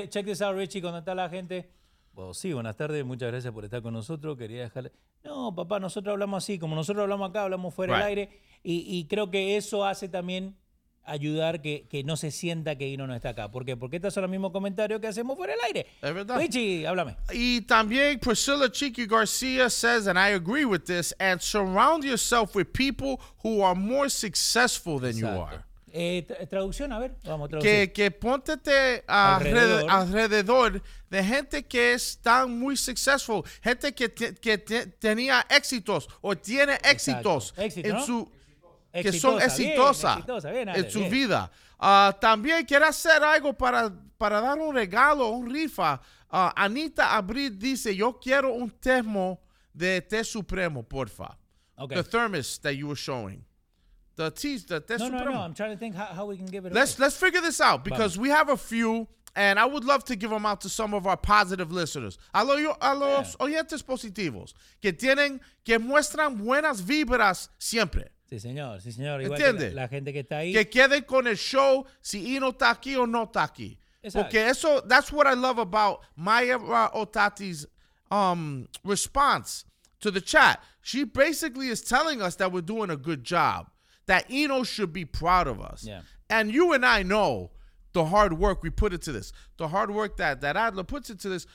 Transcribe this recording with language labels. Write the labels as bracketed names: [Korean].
[English] Check this out, [Spanish] Richie, cuando está la gente. Well, sí, buenas tardes, muchas gracias por estar con nosotros. Quería dejarle. No, papá, nosotros hablamos así. Como nosotros hablamos acá, hablamos fuera del aire. Y creo que eso hace también ayudar que no se sienta que Hino no está acá. ¿Por qué? Porque estos son los mismos comentarios que hacemos fuera del aire. Es verdad. Richie, háblame. [English] Y también Priscilla Chiqui García says, and I agree with this, and surround yourself with people who are more successful than [Spanish] exacto [English] you are. [Spanish] Traducción, a ver. Vamos a traducir. Que póntete alrededor de gente que está muy successful, gente que tenía éxitos o tiene éxitos. Exacto. Éxito, en ¿no? su que son exitosas en su bien vida. También quiero hacer algo para dar un regalo, un rifa. Anita Abril dice, yo quiero un termo de té supremo, porfa. Okay. [English] The thermos that you were showing. The té supremo. No, I'm trying to think how we can give it let's away. Let's figure this out because we have a few and I would love to give them out to some of our positive listeners. [Spanish] A los oyentes positivos que muestran buenas vibras siempre. Sí, señor. Igual ¿entiende? Que la gente que está ahí. Que quede con el show si Hino está aquí o no está aquí. Exacto. Porque eso, [English] that's what I love about Maya Otati's response to the chat. She basically is telling us that we're doing a good job, that Hino should be proud of us. Yeah. And you and I know the hard work we put into this, the hard work that Adler puts into this.